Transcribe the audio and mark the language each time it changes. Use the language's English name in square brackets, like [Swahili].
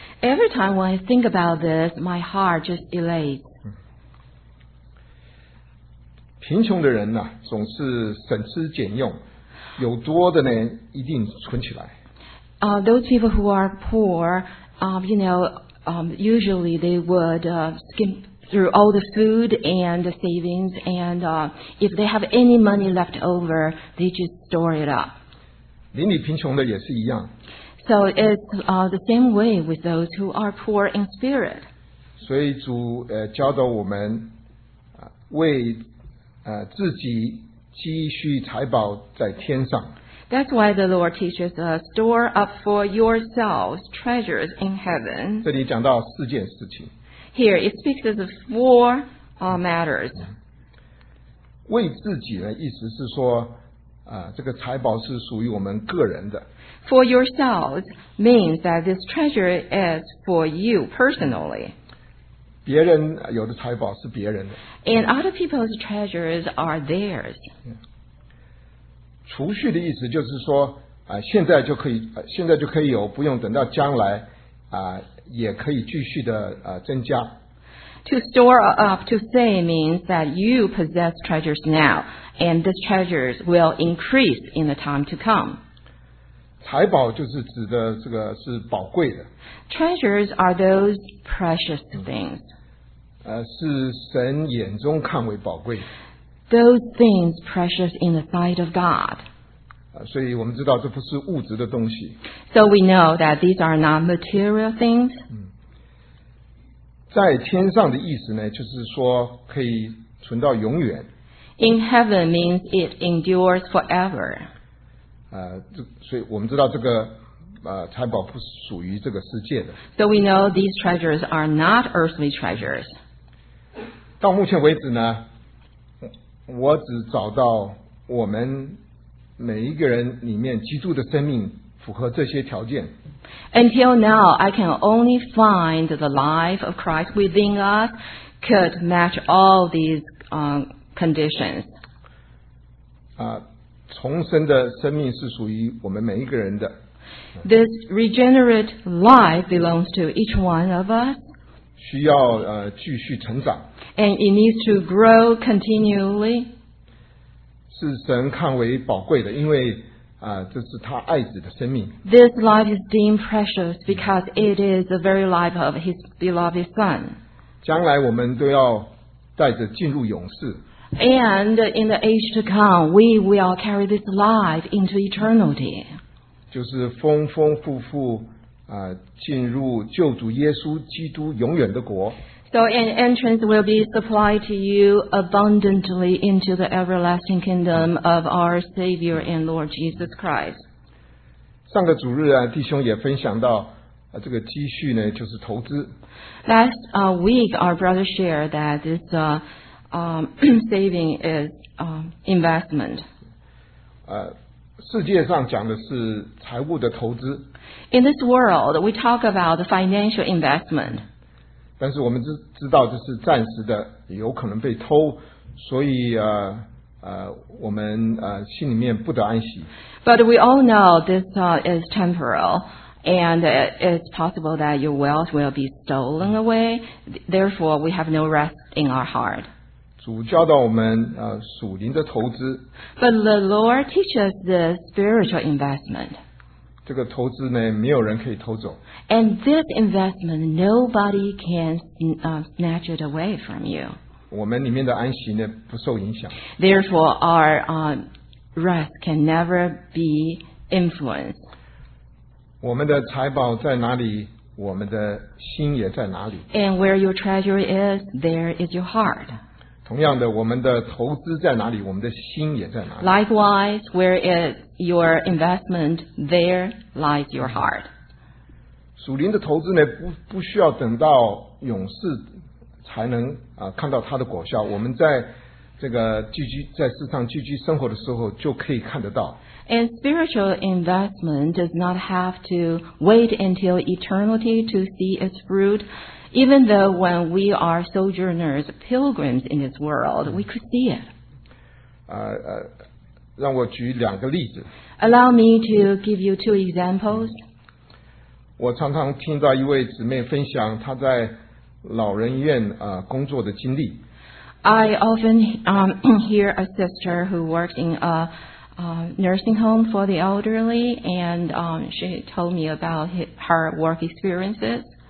[English] Every time when I think about this, my heart just elates. [Chinese] 贫穷的人呢，总是省吃俭用，有多的呢，一定存起来。 [English] Those people who are poor, usually they would skimp through all the food and the savings, and if they have any money left over, they just store it up. [Chinese] 邻里贫穷的也是一样。 [English] So it's the same way with those who are poor in spirit. [Chinese] 所以主教导我们为自己积蓄财宝在天上。 [English] That's why the Lord teaches us, store up for yourselves treasures in heaven. [Chinese] 这里讲到四件事情。 [English] Here, it speaks of four matters. [Chinese] 为自己呢，意思是说，这个财宝是属于我们个人的。 [English] For yourselves means that this treasure is for you personally. [Chinese] 别人有的财宝是别人的。 [English] And other people's treasures are theirs. [Chinese] 储蓄的意思就是说，现在就可以，现在就可以有，不用等到将来，也可以继续的增加。 [English] To store up to say means that you possess treasures now, and these treasures will increase in the time to come. [Chinese] 财宝就是指的这个是宝贵的。 [English] Treasures are those precious things. [Chinese] 是神眼中看为宝贵。 [English] Those things precious in the sight of God. [Chinese] 所以我们知道这不是物质的东西。 [English] So we know that these are not material things. [Chinese] 在天上的意思呢，就是说可以存到永远。 [English] In heaven means it endures forever. [Chinese] 所以我们知道这个财宝不是属于这个世界的。 [English] So we know these treasures are not earthly treasures. [Chinese] 到目前为止呢，我只找到我们每一个人里面基督的生命符合这些条件。 [English] Until now, I can only find the life of Christ within us could match all these conditions. [Chinese] 重生的生命是属于我们每一个人的。 [English] This regenerate life belongs to each one of us. [Chinese] 需要继续成长。 [English] And it needs to grow continually. [Chinese] 是神看为宝贵的，因为这是他爱子的生命。 [English] This life is deemed precious because it is the very life of his beloved son. [Chinese] 将来我们都要带着进入永世。 [English] And in the age to come, we will carry this life into eternity. [Chinese] 就是丰丰富富进入救主耶稣基督永远的国。 [English] So an entrance will be supplied to you abundantly into the everlasting kingdom of our Savior and Lord Jesus Christ. [Chinese] 上个主日啊，弟兄也分享到这个积蓄呢，就是投资。 [English] Last week, our brother shared that this saving is investment. [Chinese] 世界上讲的是财务的投资。 [English] In this world, we talk about financial investment. [Chinese] 但是我们知道这是暂时的，有可能被偷，所以我们心里面不得安息。 [English] But we all know this is temporal, and it's possible that your wealth will be stolen away. Therefore, we have no rest in our heart. [Chinese] 主教导我们属灵的投资。 [English] But the Lord teaches the spiritual investment. [Chinese] 这个投资呢，没有人可以偷走。 [English] And this investment, nobody can snatch it away from you. [Chinese] 我们里面的安息呢，不受影响。 [English] Therefore, our rest can never be influenced. [Chinese] 我们的财宝在哪里，我们的心也在哪里。 [English] And where your treasure is, there is your heart. [Chinese] 同样的，我们的投资在哪里，我们的心也在哪里。 [English] Likewise, where is your investment, there lies your heart. [Chinese] 属灵的投资呢， 不需要等到永世才能看到它的果效。我们在这个寄居在世上寄居生活的时候就可以看得到。 [English] And spiritual investment does not have to wait until eternity to see its fruit. Even though when we are sojourners, pilgrims in this world, we could see it. [Chinese] 让我举两个例子。 [English] Allow me to give you two examples. [Chinese] 我常常听到一位姊妹分享她在老人院工作的经历。 [English] I often hear a sister who works in a nursing home for the elderly, and she told me about her work experiences.